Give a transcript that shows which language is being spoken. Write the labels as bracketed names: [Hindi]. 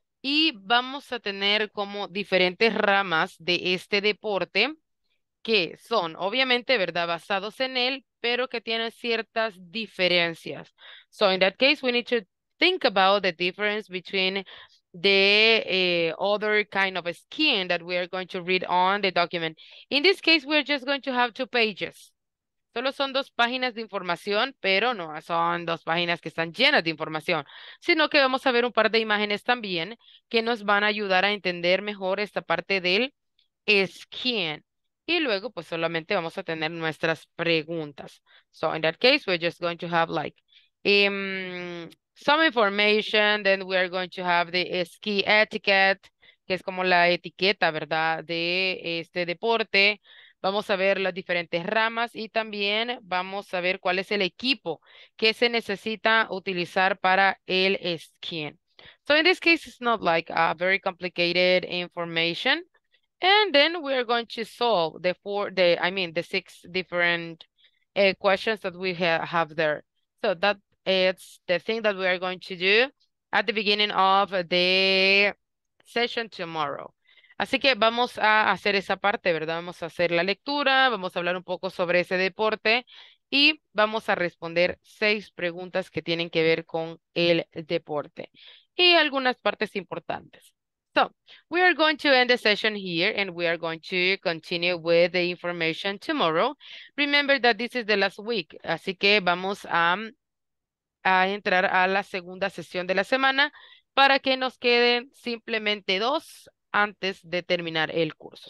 [Spanish] Y vamos a tener como diferentes ramas de este deporte que son, obviamente, ¿verdad?, basados en él, pero que tienen ciertas diferencias. [English] So in that case, we need to think about the difference between the other kind of skiing that we are going to read on the document. In this case, we're just going to have 2 pages. [Spanish] Solo son 2 páginas de información, pero no son 2 páginas que están llenas de información, sino que vamos a ver un par de imágenes también que nos van a ayudar a entender mejor esta parte del skiing. Y luego, pues solamente vamos a tener nuestras preguntas. [English] So in that case, we're just going to have like some information, then we are going to have the ski etiquette, [Spanish] que es como la etiqueta, ¿verdad?, [English] de este deporte. [Spanish] Vamos a ver las diferentes ramas y también vamos a ver cuál es el equipo que se necesita utilizar para el skiing. [English] So in this case, it's not like a very complicated information. And then we are going to solve the 6 different questions that we have there. So that it's the thing that we are going to do at the beginning of the session tomorrow. [Spanish] Así que vamos a hacer esa parte, ¿verdad? Vamos a hacer la lectura, vamos a hablar un poco sobre ese deporte y vamos a responder 6 preguntas que tienen que ver con el deporte y algunas partes importantes. [English] So, we are going to end the session here and we are going to continue with the information tomorrow. Remember that this is the last week, [Spanish] así que vamos a entrar a la segunda sesión de la semana para que nos queden simplemente 2 antes de terminar el curso.